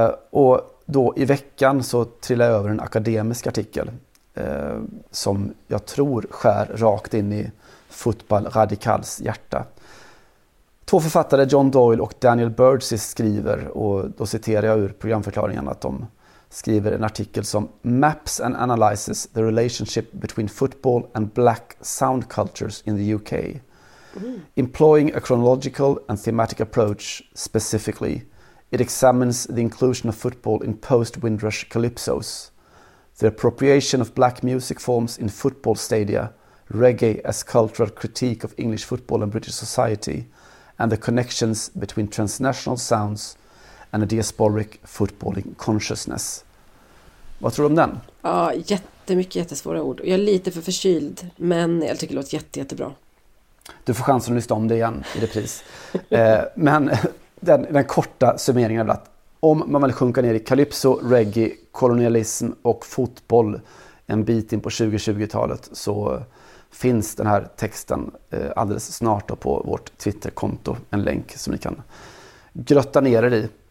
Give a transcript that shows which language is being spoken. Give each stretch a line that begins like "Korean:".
Swedish: Och då i veckan så trillade jag över en akademisk artikel som jag tror skär rakt in i Football Radicals hjärta. Två författare, John Doyle och Daniel Burgess, skriver, och då citerar jag ur programförklaringen, att de skriver en artikel som
English: Maps and Analyzes the Relationship Between Football and Black Sound Cultures in the UK. Employing a chronological and thematic approach specifically, it examines the inclusion of football in post-Windrush calypsos, the appropriation of black music forms in football stadia, reggae as cultural critique of English football and British society, and the connections between transnational sounds and a diasporic footballing consciousness.
Swedish: Vad tror du om den? Ja, jättemycket jättesvåra ord. Jag är lite för förkyld, men jag tycker det låter jättebra. Du får chansen att lyssna om det igen i repris. men den korta summeringen är att om man vill sjunka ner i calypso, reggae, kolonialism och fotboll en bit in på 2020-talet, så finns den här texten alldeles snart på vårt Twitterkonto, en länk som ni kan grötta ner er i.